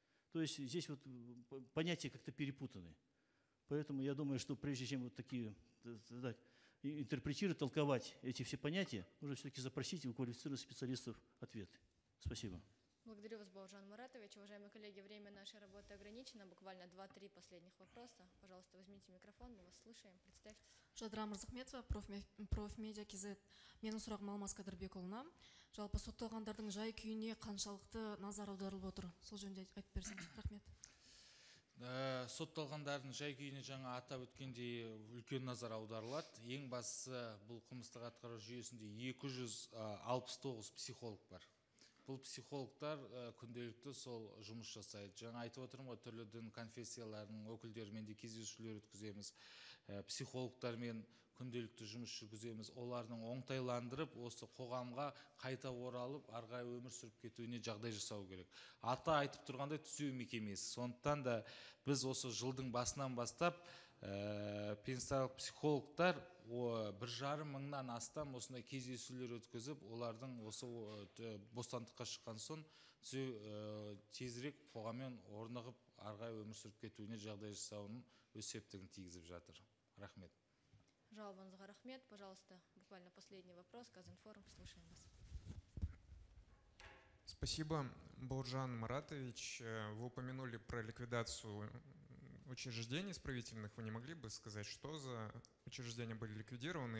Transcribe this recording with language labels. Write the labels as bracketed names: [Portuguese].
[Russian] То есть здесь вот понятия как-то перепутаны. Поэтому я думаю, что прежде чем вот такие так, интерпретировать, толковать эти все понятия, нужно все-таки запросить у квалифицированных специалистов ответы. Спасибо. Благодарю вас, Бауржан Маратович. Уважаемые коллеги, время нашей работы ограничено. Буквально 2-3 последних вопроса. Пожалуйста, возьмите микрофон, мы вас слушаем. Представьтесь. Жадыра Мырзахметова, профмедиа кизет. [Kazakh] Менің сұрағым Алмас Қадырбекұлына. Жалпы сотталғандардың жай күйіне қаншалықты назар аударылып отыр? Сол жөнінде айтып берсеңіз. Рахмет. Сотталғандардың жай күйіне жаңа атап өткендей үлкен назар аударылады. Ең бастысы, бұл қылмыстық атқару жүйесінде 269 психолог бар. Бұл психологтар күнделікті сол жұмыс жасайды. Жаңа айтып отырмын ғой, түрлі дін конфессияларының өкілдерімен де кездесулер өткіземіз. Психологтармен күнделікті жұмыс жүргіземіз. Олардың оңтайландырып, осы қоғамға қайта оралып, арға өмір сүріп кетуіне жағдай жасау керек. Ата айтып тұрғандай түзеу мекемесі. Сондықтан да біз осы жылдың басынан бастап пенсиялық психологтар 1,5 мыңнан астам осындай кездесулер өткізіп, олардың осы бостандыққа шыққан соң тезірек қоғаммен орнығып, арғай өмір сүріп кетуіне жағдай жасауының өз септігін тигізіп жатыр. Рахмет. Жауабыңызға рахмет. [Russian] Пожалуйста, буквально последний вопрос. Казинформ, слушаем вас. Спасибо, Бауржан Маратович. Вы упомянули про ликвидацию учреждений исправительных. Вы не могли бы сказать, что за учреждения были ликвидированы?